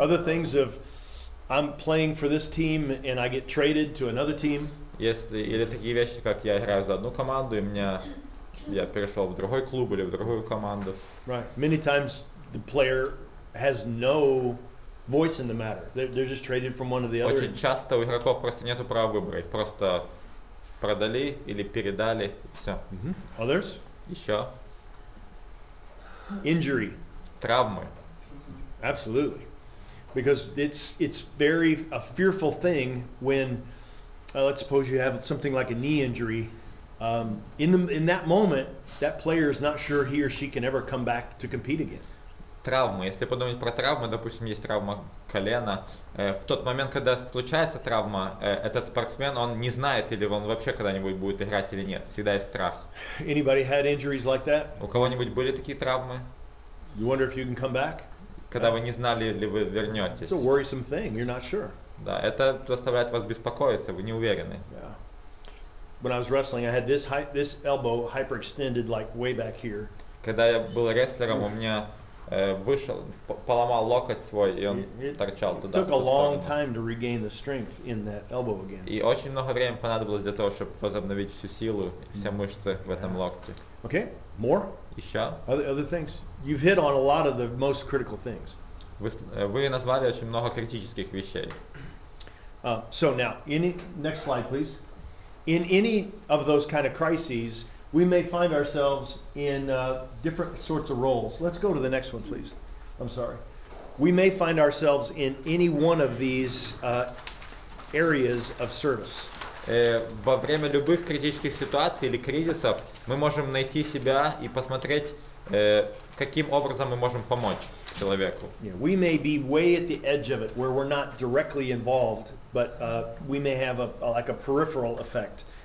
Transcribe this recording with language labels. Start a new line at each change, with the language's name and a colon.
English: Other things of I'm playing for this team and I get traded to another team.
Russian: Если или такие вещи, как я играю за одну команду и я перешел в другой клуб или в другую команду.
English: Right. Many times the player has no voice in the matter. They're just traded from one to the other.
Russian: Очень часто у игроков просто нету права выбора. Просто продали или передали, все.
English: Mm-hmm. Others?
Russian: Еще.
English: Injury.
Russian: Травмы.
English: Absolutely. Because it's very a fearful thing when, let's suppose you have something like a knee injury. In that moment, that player is not sure he or she can ever come back to compete again.
Russian: Травмы. Если подумать про травмы, допустим, есть травма колена. В тот момент, когда случается травма, этот спортсмен, он не знает, или он вообще когда-нибудь будет играть или нет. Всегда есть страх.
English: Anybody had injuries like that?
Russian: У кого-нибудь были такие травмы?
English: You wonder if you can come back?
Russian: Когда вы не знали, ли вы вернетесь.
English: It's a worrisome thing. You're not sure.
Russian: Да, это заставляет вас беспокоиться, вы не уверены.
English: Yeah. When I was wrestling, I had this elbow hyperextended like way back here.
Russian: Когда я был рестлером, у меня вышел, поломал локоть свой, и он торчал туда.
English: Took a long time to regain the strength in that elbow again.
Russian: И очень много времени понадобилось для того, чтобы возобновить всю силу и все мышцы yeah. в этом локте.
English: Okay, more?
Russian: Еще?
English: Other things? You've hit on a lot of the most critical things.
Russian: Вы назвали очень много критических вещей.
English: So now, next slide, please. In any of those kind of crises, we may find ourselves in different sorts of roles. Let's go to the next one, please. I'm sorry. We may find ourselves in any one of these areas of service.
Russian: Во время любых критических ситуаций или кризисов мы можем найти себя и посмотреть, каким образом мы можем помочь человеку.
English: Yeah, we may be way at the edge of it, where we're not directly involved, but we may have a peripheral effect.